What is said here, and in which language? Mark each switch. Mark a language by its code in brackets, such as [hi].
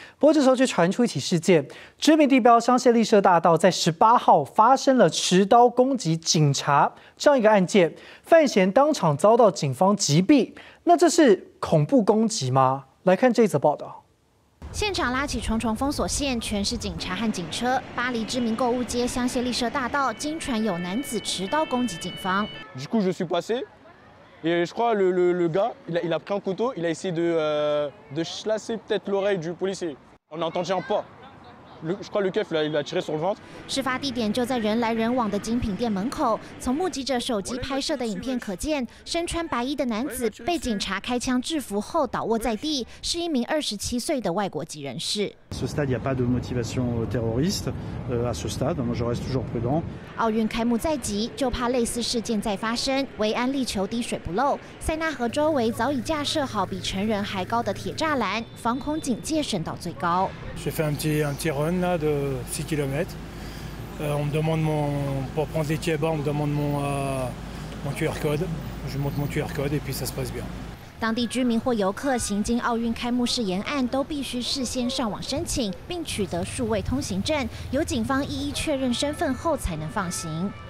[zh] 不过这时候却传出一起事件，知名地标香榭丽舍大道在18号发生了持刀攻击警察这样一个案件，犯嫌当场遭到警方击毙。那这是恐怖攻击吗？来看这则报道。现场拉起重重封锁线，全是警察和警车。巴黎知名购物街香榭丽舍大道，经传有男子持刀攻击警方。 [fr] Du coup, je suis passé. Et je crois que le gars, il a pris un couteau, il a essayé de chlasser peut-être l'oreille du policier. On a entendu un pas. Je crois que le keuf, il a tiré sur le ventre. [zh] 事发地点就在人来人往的精品店门口。从目击者手机拍摄的影片可见，身穿白衣的男子被警察开枪制服后倒卧在地，是一名27岁的外国籍人士。 [fr] Ce stade, il n'y a pas de motivation terroriste à ce stade. Moi, je reste toujours prudent. [zh] 奥运开幕在即，就怕类似事件再发生，维安力求滴水不漏。塞纳河周围早已架设好比成人还高的铁栅栏，防空警戒升到最高。 [fr] J'ai fait un petit run là de 6 km. On me demande mon pour prendre les tickets, on me demande mon QR code. Je montre mon QR code et puis ça se passe bien. [zh] 当地居民或游客行经奥运开幕式沿岸，都必须事先上网申请并取得数位通行证，由警方一一确认身份后才能放行。